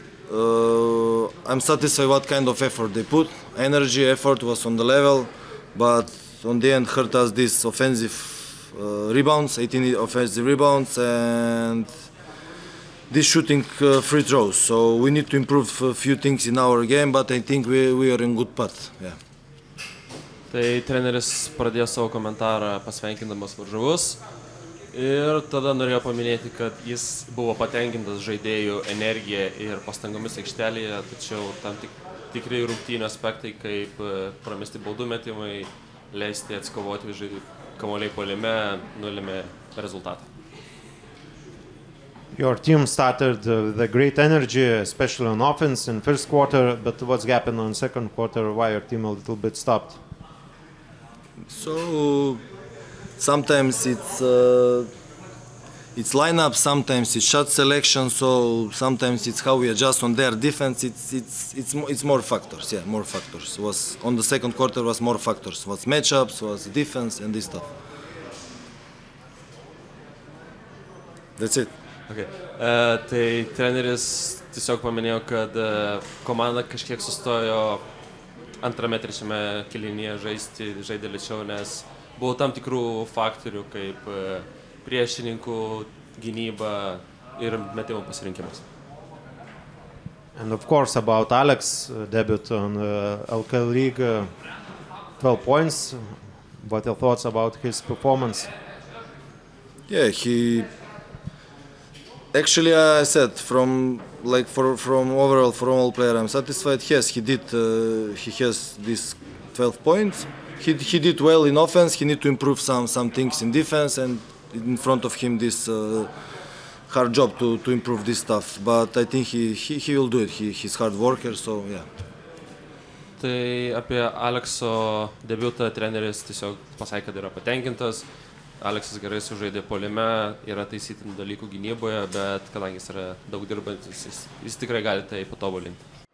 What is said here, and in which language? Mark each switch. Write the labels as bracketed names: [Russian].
[English] I'm satisfied what kind of effort they put. Energy, effort was on the level, but on the end hurt us this offensive rebounds, 18 offensive rebounds, and this shooting free throws. So we need to improve a few things in our game, but I think we are in good path. Yeah. [Lithuanian] Tai treneris pradėjo savo komentarą pasveikindamas varžovus. Ir tada norėjo paminėti, kad jis buvo patenkintas žaidėjų energija ir pastangomis aikštelėje, tačiau tam tikrai rungtynių aspektai, kaip pramesti baudų metimai, leisti atsikovoti žaidėjų kamuoliai puolime, nulėmė rezultatą. [English] Your team started the great energy, especially on offense in first quarter, but what's happened on second quarter, why your team a little bit stopped? So sometimes it's lineup, sometimes it's shot selection, so sometimes it's how we adjust on their defense. It's more factors, yeah, more factors. Was on the second quarter was more factors, was matchups, was defense and this stuff. That's it. Okay. [Lithuanian] Tai treneris tiesiog paminėjo, kad komanda kažkiek sustojo antrame trečiame kelinyje žaidė lėčiau, nes buvo tam tikrų faktorių, kaip priešininkų gynyba ir metimo pasirinkimas. [English] And of course about Alex debut on LKL League 12 points. What your thoughts about his performance? Yeah, he actually, I said from like from overall from all player, I'm satisfied. Yes, he did. He has these 12 points. He did well in offense. He need to improve some things in defense, and in front of him this hard job to improve this stuff. But I think he will do it. He's hard worker. So yeah. [Lithuanian] Tai apie Alekso debiutą treneris tiesiog pasakė, kad yra patenkintas. Aleksas gerai sužaidė polime, yra taisytinų dalykų gynyboje, bet kadangi jis yra daug dirbantis, jis tikrai gali tai patobulinti.